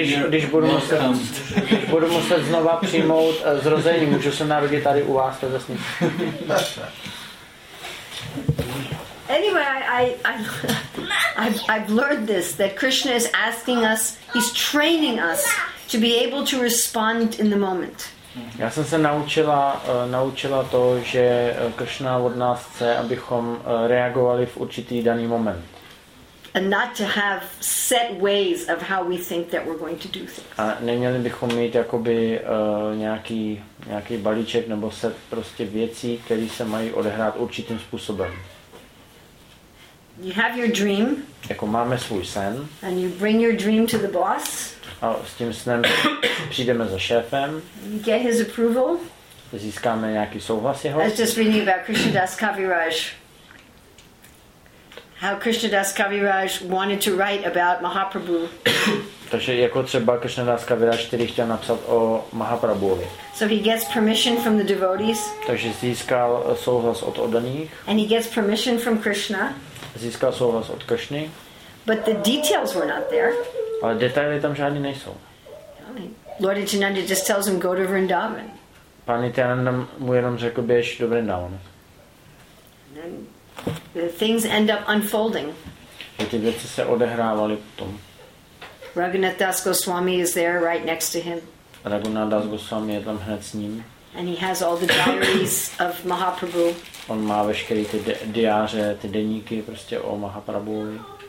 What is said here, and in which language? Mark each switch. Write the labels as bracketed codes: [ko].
[cs] Když budu muset znova přijmout zrození, můžu se narodit tady u vás, tady zase. [en] Anyway, I've learned this, that Krishna is asking us, he's training us to be able to respond in the moment. [cs] Já jsem se naučila to, že Krishna od nás chce, abychom reagovali v určitý daný moment. [en] And not to have set ways of how we think that we're going to do things. [cs] A neměli bychom mít jakoby nějaký balíček nebo set prostě věcí, které se mají odehrát určitým způsobem. [en] You have your dream. [cs] Jako máme svůj sen. [en] And you bring your dream to the boss. [cs] A s tím snem přijdeme za šéfem. [en] Get his approval. [cs] Získáme nějaký souhlas jeho. [en] I was just reading about Krishna Das Kaviraj. How Krishna Das Kaviraj wanted to write about Mahaprabhu. [cs] Takže jako třeba Krishna Das Kaviraj, který chtěl napsat o Mahaprabhuvi. [en] So he gets permission from the devotees. [cs] Takže získal souhlas od oddaných. [en] And he gets permission from Krishna. [cs] Získal souhlas od Krishny. [en] But the details were not there. [cs] Ale detaily tam žádný nejsou. [en] Lord Nityananda just tells him go to Vrindavan. [cs] Pan Nityananda mu jenom řekl běž do Vrindavan. [en] The things end up unfolding. [cs] A ty věci se odehrávaly potom. [en] Raghunath Das Goswami is there right next to him. [cs] Raghunath Das Goswami je tam hned s ním. [en] And he has all the diaries of Mahaprabhu. [cs] On má veškeré ty diáře, ty deníky prostě o Mahaprabhuvi.